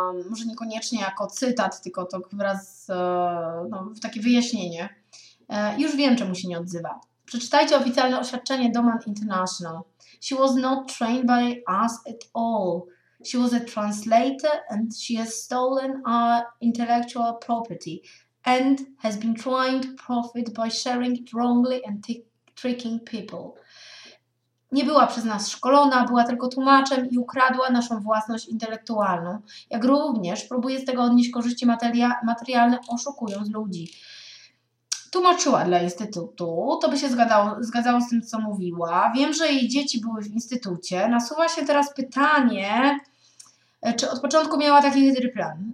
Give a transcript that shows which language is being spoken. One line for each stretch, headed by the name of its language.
Polish: Może niekoniecznie jako cytat, tylko to wraz z, no, takie wyjaśnienie. Już wiem, czemu się nie odzywa. Przeczytajcie oficjalne oświadczenie Doman International.
English: She was not trained by us at all. She was a translator and she has stolen our intellectual property and has been trying to profit by sharing it wrongly and tricking people.
Polish: Nie była przez nas szkolona, była tylko tłumaczem i ukradła naszą własność intelektualną, jak również próbuje z tego odnieść korzyści materialne, oszukując ludzi. Tłumaczyła dla Instytutu, to by się zgadzało z tym, co mówiła. Wiem, że jej dzieci były w Instytucie. Nasuwa się teraz pytanie, czy od początku miała taki chytry plan?